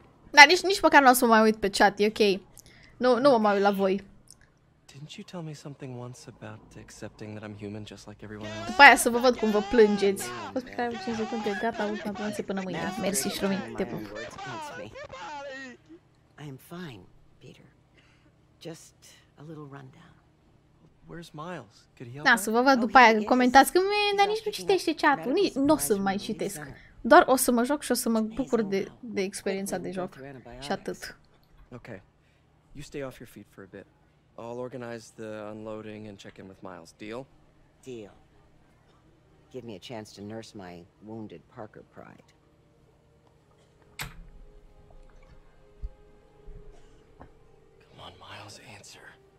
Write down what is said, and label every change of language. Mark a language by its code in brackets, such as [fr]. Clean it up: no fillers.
[ro] Na, nici măcar n-o să mă mai uit pe chat, e ok. Nu mă mai uit la voi. [en] Didn't you tell me something once about accepting that I'm human just like everyone else? [ro] După aia să vă văd cum vă plângeți. Poți pe care am 5 secunde, gata, ultima plânță până mâine. Mersi și rămâi, te pup. [en] I am fine, Peter. Just a little rundown. Where's Miles? Could he help? [ro] Na, să vă văd după aia, comentați că mie, dar nici nu citește chatul, nici nu o să mai citesc. Doar o să mă joc și o să mă bucur de experiența de joc și atât. [en] Okay. You stay off your feet for a bit. I'll organize the unloading and check in with Miles. Deal? Deal. Give me a chance to nurse my wounded Parker pride. Come on, Miles, answer.